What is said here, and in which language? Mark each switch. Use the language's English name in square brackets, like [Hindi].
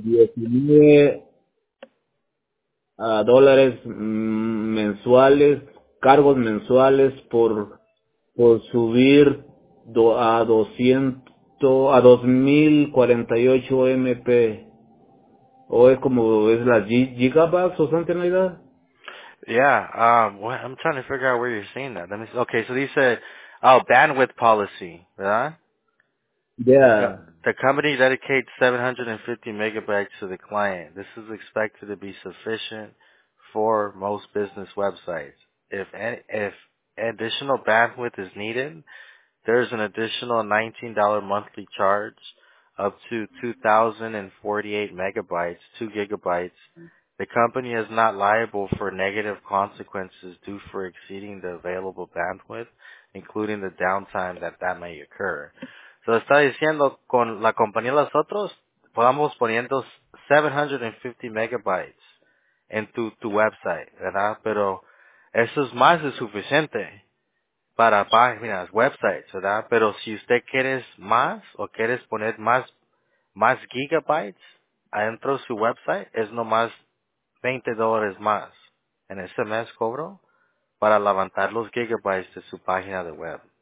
[Spanish] Dice 19 dólares mensuales, cargos mensuales por subir a 2048 MP. O es como, es la gigabytes o [English] something like that. Yeah, I'm trying to figure out where you're seeing that. Let me see. Okay, so these said, oh, bandwidth policy, right? Yeah. The company dedicates 750 megabytes to the client. This is expected to be sufficient for most business websites. If additional bandwidth is needed, there is an additional $19 monthly charge up to 2,048 megabytes, 2 gigabytes. The company is not liable for negative consequences due for exceeding the available bandwidth, including the downtime that may occur. [Spanish] So está diciendo con la compañía de nosotros, podamos poniendo 750 megabytes en tu website, ¿verdad? Pero eso es más de suficiente para páginas, websites, ¿verdad? Pero si usted quiere más o quiere poner más gigabytes adentro de su website, es nomás $20 más en ese mes cobro para levantar los gigabytes de su página de web.